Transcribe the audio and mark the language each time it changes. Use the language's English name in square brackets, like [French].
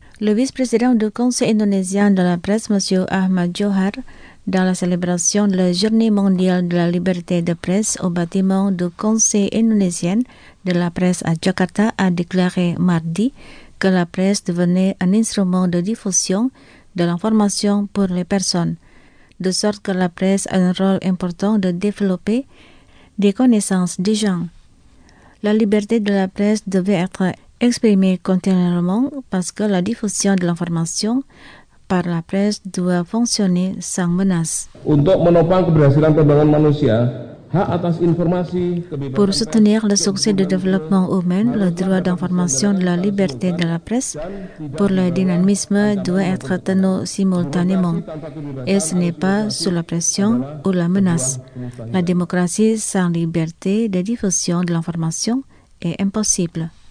[French] Le vice-président du Conseil indonésien de la presse, M. Ahmad Johar, dans la célébration de la Journée mondiale de la liberté de presse au bâtiment du Conseil indonésien de la presse à Jakarta, a déclaré mardi que la presse devenait un instrument de diffusion de l'information pour les personnes, de sorte que la presse a un rôle important de développer des connaissances des gens. La liberté de la presse devait être exprimée continuellement parce que la diffusion de l'information par la presse doit fonctionner sans menace. [Indonesian] Untuk menopang keberhasilan pembangunan manusia, hak atas informasi, kebebasan. [French] Pour soutenir le succès du développement humain, le droit d'information de la liberté de la presse pour le dynamisme doit être tenu simultanément. Et ce n'est pas sous la pression ou la menace. La démocratie sans liberté de diffusion de l'information est impossible.